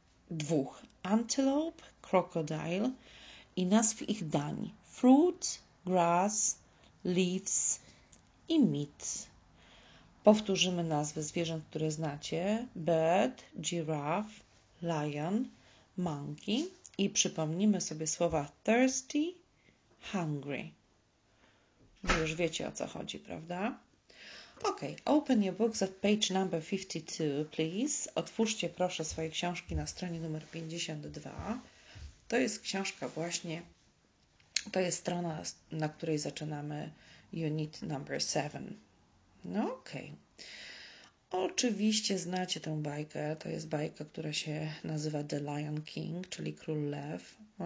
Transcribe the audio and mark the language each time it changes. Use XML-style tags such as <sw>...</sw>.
<pl>dwóch: antelope, crocodile i nazw ich dań: fruit, grass, leaves i meat. Powtórzymy nazwy zwierząt, które znacie: bird, giraffe, lion, monkey i przypomnimy sobie słowa thirsty, hungry. Już wiecie, o co chodzi, prawda?</pl> <en>Ok, open your books at page number 52, please.</en> <pl>Otwórzcie proszę swoje książki na stronie numer 52. To jest książka właśnie, to jest strona, na której zaczynamy</pl> <en>unit number 7.</en> <pl>No ok. Oczywiście znacie tę bajkę. To jest bajka, która się nazywa The Lion King, czyli Król Lew.</pl>